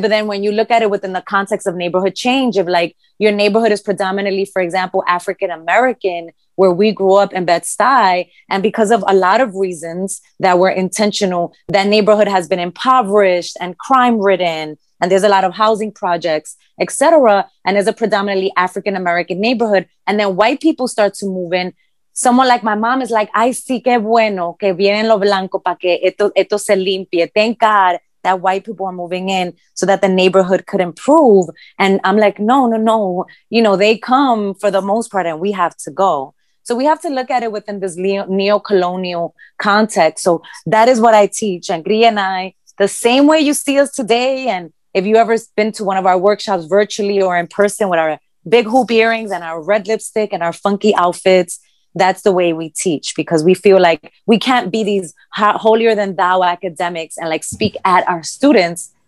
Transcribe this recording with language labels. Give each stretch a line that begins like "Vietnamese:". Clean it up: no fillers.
English: But then when you look at it within the context of neighborhood change, of like your neighborhood is predominantly, for example, African-American, where we grew up in Bed-Stuy, and because of a lot of reasons that were intentional, that neighborhood has been impoverished and crime-ridden, and there's a lot of housing projects, et cetera, and is a predominantly African-American neighborhood. And then white people start to move in. Someone like my mom is like,
Spanish: ay, sí, qué bueno que vienen los blancos para que esto se limpie.
English: Thank God that white people are moving in so that the neighborhood could improve. And I'm like, no. You know, they come for the most part and we have to go. So we have to look at it within this neo-colonial context. So that is what I teach. And Gri and I, the same way you see us today, and if you ever been to one of our workshops virtually or in person with our big hoop earrings and our red lipstick and our funky outfits, that's the way we teach, because we feel like we can't be these holier-than-thou academics and like speak at our students.